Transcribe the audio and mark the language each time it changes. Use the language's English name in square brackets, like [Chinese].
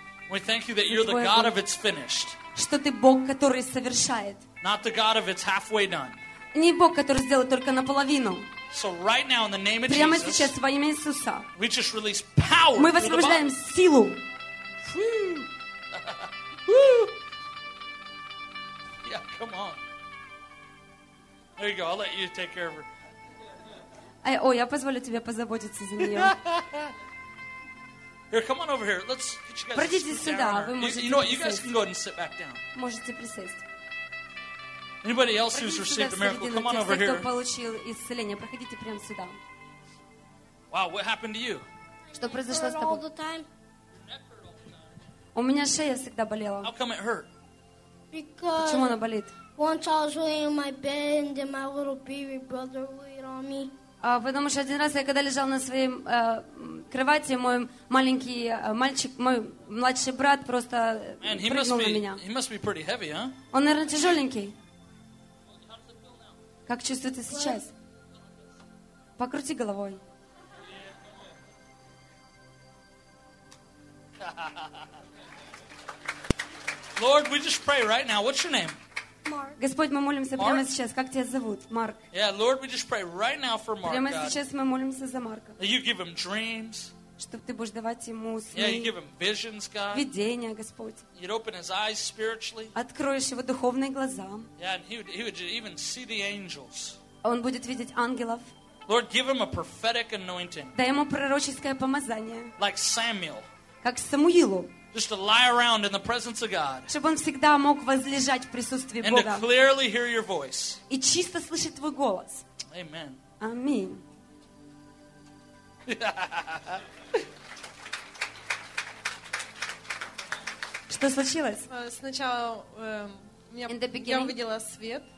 [English] We thank you that you're the God of it's finished. [Russian] Что ты Бог, который совершает. [English] Not the God of it's halfway done. [Russian] Не Бог, который сделал только наполовину. [English] So right now, in the name of Jesus. [Russian] Прямо сейчас во имя Иисуса. [English] We just release power. [Russian] Мы высвобождаем силу. [English] Yeah, come on. There you go. I'll let you take care of her. [Russian] Я позволю тебе позаботиться за нее. [English] Here, come on over here. Let's get you guys. [Russian] Пройдите сюда, вы можете. [English] You know what? You guys can go ahead and sit back down. [Russian] Можете присесть. [English] Anybody else who's received a miracle, come on over here. [Russian] Кто получил исцеление, проходите прямо сюда. [English] Wow, what happened to you? [Russian] Что произошло с тобой? У меня шея всегда болела. [English] How come it hurt? [Russian] Почему она болит? [English] Once I was laying in my bed and then my little baby brother laid on me. [Russian] Потому что один раз я когда лежал на своей кровати, мой маленький мальчик, мой младший брат просто прыгнул на меня. [English] He must be pretty heavy, huh? [Russian] Он, наверное, тяжеленький. Как чувствуется сейчас? Покрути головой. [English] Lord, we just pray right now. What's your name? Mark. [Russian] Господь, мы молимся прямо сейчас. Как тебя зовут? Марк. [English] Yeah, Lord, we just pray right now for Mark. [Russian] Прямо сейчас мы молимся за Марка. [English] You give him dreams. [Russian] Чтобы ты будешь давать ему сны. [English] Yeah, you give him visions, God. [Russian] Видения, Господь. [English] You'd open his eyes spiritually. [Russian] Откроешь его духовные глаза. [English] Yeah, and he would even see the angels. [Russian] Он будет видеть ангелов. [English] Lord, give him a prophetic anointing. [Russian] Дай ему пророческое помазание. [English] Like Samuel. [Russian] Как Самуилу. [English] Just to lie around in the presence of God. [Russian] Чтобы он всегда мог возлежать в присутствии Бога. [English] And to clearly hear your voice. [Russian] И чисто слышать твой голос. [English] Amen. [Russian] Аминь. Что случилось? Сначала я увидела свет.